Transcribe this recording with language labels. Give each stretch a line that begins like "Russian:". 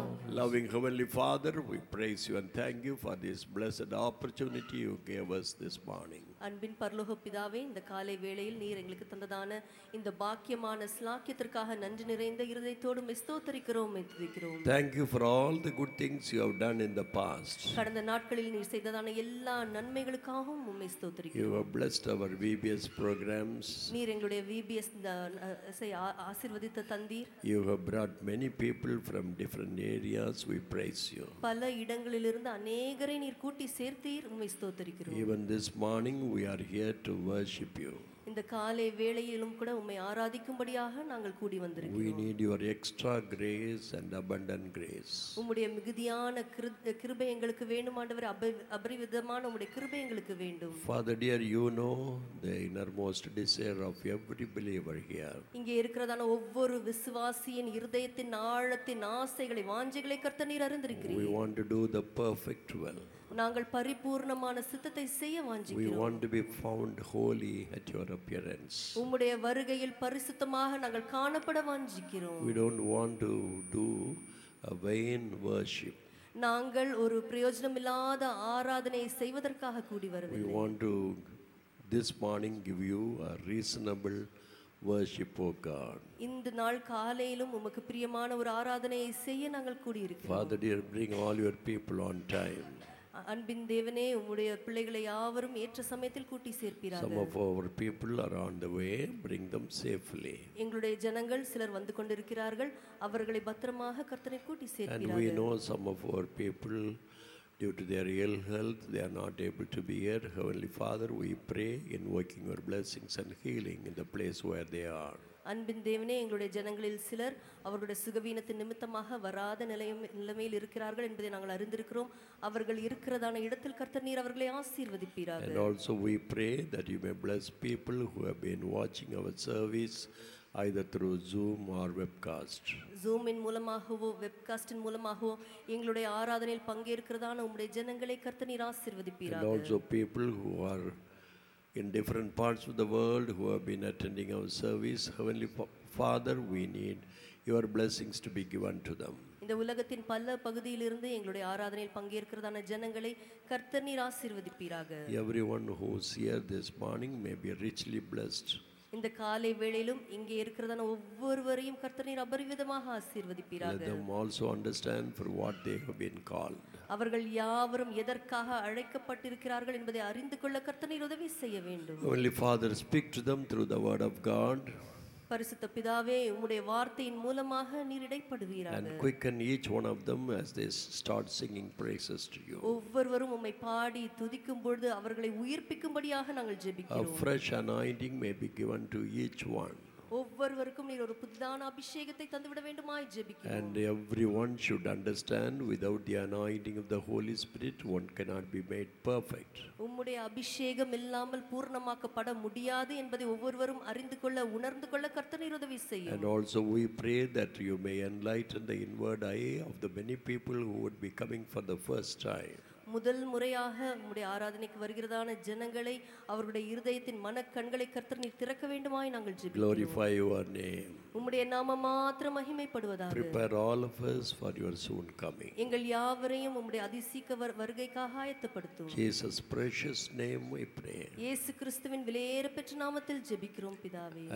English: You and thank you for this blessed opportunity you gave us this morning.
Tamil: அன்பின் பரலோக பிதாவே இந்த காலை வேளையில் நீர் எங்களுக்கு தந்ததான இந்த பாக்கியமான சுலாக்கியத்திற்காக நன்றி நிறைந்த இருதயத்தோடு மெஸ்தோத்தரிக்கிறோம் மெத்திக்கிறோம்.
English: Thank you for all the good things you have done in the past.
Tamil: கடந்த நாட்களில் நீர் செய்ததான எல்லா நன்மைகளுக்காகவும் உம்மை ஸ்தோத்தரிக்கிறோம்.
English: You have blessed our VBS programs.
Tamil: நீர் எங்களுடைய VBS ஆசீர்வதித்த தந்தீர்.
English: You have brought many people from different areas. We praise you.
Tamil: பல இடங்களிலிருந்து அநேகரை நீர் கூட்டி சேர்த்தீர் உம்மை ஸ்தோத்தரிக்கிறோம்.
English: Even this morning we are here to worship you.
Tamil: இந்த காலை வேளையிலும் கூட உம்மை ஆராதிக்கும்படியாக நாங்கள் கூடி வந்திருக்கிறோம்.
English: We need your extra grace and abundant grace.
Tamil: உம்முடைய மிகுதியான கிருபை எங்களுக்கு வேண்டும் ஆண்டவரே, அபரிவிதமான உம்முடைய கிருபை எங்களுக்கு வேண்டும்.
English: Father dear, you know the innermost desire of every believer here.
Tamil: இங்கே இருக்கிறதான ஒவ்வொரு விசுவாசியின் இருதயத்தின் ஆழத்தின் ஆசைகளை வாஞ்சைகளை கர்த்தர் நீர் அறிந்திருக்கிறீர்.
English: We want to do the perfect will.
Tamil: நாங்கள் பரிபூர்ணமான சித்தத்தை செய்ய வாஞ்சிக்கிறோம்.
English: We want to be found holy at your appearance.
Tamil: உம்முடைய வருகையில் பரிசுத்தமாக நாங்கள் காணப்பட வாஞ்சிக்கிறோம்.
English: We don't want to do a vain worship.
Tamil: நாங்கள் ஒரு பிரயோஜனமில்லாத ஆராதனையை செய்வதற்காக கூடி வரவில்லை.
English: We want to this morning give you a reasonable worship, O God.
Tamil: இந்த நாள் காலையிலும் உமக்கு பிரியமான ஒரு ஆராதனையை செய்ய நாங்கள் கூடி இருக்கிறோம்.
English: Father dear, bring all your people on time.
Tamil: அன்பின் தேவனே, உம்முடைய பிள்ளைகளை யாவரும் ஏற்ற சமயத்தில் கூட்டி சேர்ப்பீராக.
English: Some of our people are on the way, bring them safely.
Tamil: எங்களுடைய ஜனங்கள் சிலர் வந்து கொண்டிருக்கிறார்கள், அவர்களை பத்திரமாக கர்த்தரை கூட்டி சேர்ப்பீராக.
English: And we know some of our people, due to their ill health, they are not able to be here. Heavenly Father, we pray invoking your blessings and healing in the place where they are.
Tamil: அன்பின் தேவனே, எங்களுடைய ஜனங்களில் சிலர் அவர்களுடைய சுகவீனத்தின் நிமித்தமாக வராத நிலைமையில் இருக்கிறார்கள் என்பதை நாங்கள் அறிந்திருக்கிறோம். அவர்கள் இருக்கிறதான இடத்தில் கர்த்தர் நீர் அவர்களை ஆசீர்வதிப்பீராக.
English: And also we pray that you may bless people who have been watching our service either through Zoom or webcast.
Tamil: Zoom in மூலமாகவோ webcast in மூலமாகவோ எங்களுடைய ஆராதனையில் பங்கேற்கிறதான உம்முடைய ஜனங்களை கர்த்தர் நீர் ஆசீர்வதிப்பீராக.
English: And also people who are in different parts of the world who have been attending our service, Heavenly Father, we need your blessings to be given to them.
Tamil: இந்த உலகத்தின் பல பகுதியிலிருந்து எங்களுடைய ஆராதனையில் பங்கேற்கிறதான ஜனங்களை கர்த்தர் நீர் ஆசீர்வதிப்பீராக.
English: Everyone who is here this morning may be richly blessed.
Tamil: இந்த காலை வேளையிலும் இங்கே இருக்கிறதான ஒவ்வொருவரையும் கர்த்தர் நீர் அபரிவிதமாக ஆசீர்வதிப்பீராக.
English: Let them also understand for what they have been called.
Tamil: அவர்கள் யாவரும் எதற்காக அழைக்கப்பட்டிருக்கிறார்கள் என்பதை அறிந்து கொள்ள கர்த்தர் நீர் உதவி செய்ய வேண்டும்.
English: Holy Father, speak to them through the word of God.
Tamil: பரிசுத்த பிதாவே, உம்முடைய வார்த்தையின் மூலமாக நீர் இடைப்படுவீராக.
English: And quicken each one of them as they start singing praises to you.
Tamil: ஒவ்வொருவரும் உம்மை பாடி துதிக்கும் பொழுது அவர்களை உயிர்ப்பிக்கும்படியாக நாங்கள் ஜெபிக்கிறோம்.
English: A fresh anointing may be given to each one.
Tamil: ஒவ்வொருவருக்கும் நீர் ஒரு புதிதான அபிஷேகத்தை தந்துவிட வேண்டுமாய் ஜெபிக்கிறோம்.
English: And everyone should understand without the anointing of the Holy Spirit one cannot be made perfect.
Tamil: உம்முடைய அபிஷேகம் இல்லாமல் பூர்ணமாக்கப்பட முடியாது என்பதை ஒவ்வொருவரும் அறிந்து கொள்ள உணர்ந்து கொள்ள கர்த்தர் நீர் உதவி செய்ய.
English: And also we pray that you may enlighten the inward eye of the many people who would be coming for the first time.
Tamil: முதல் முறையாக உம்முடைய ஆராதனைக்கு வருகிறதான ஜனங்களை அவர்களுடைய இருதயத்தின் மன கண்களை கர்த்தர் நீர் திறக்க வேண்டுமாய் நாங்கள் ஜெபிக்கிறோம்.
English: Glorify your name.
Tamil: உம்முடைய நாமம் மாத்திர மகிமைப்படுவதாக.
English: Prepare all of us for your soon coming.
Tamil: எங்கள் யாவரையும் உம்முடைய அதிசீக்க வருகைக்காக ஆயத்தப்படுத்தும்.
English: Jesus precious name we pray.
Tamil: இயேசு கிறிஸ்துவின் விலையேறப்பெற்ற நாமத்தில் ஜெபிக்கிறோம் பிதாவே.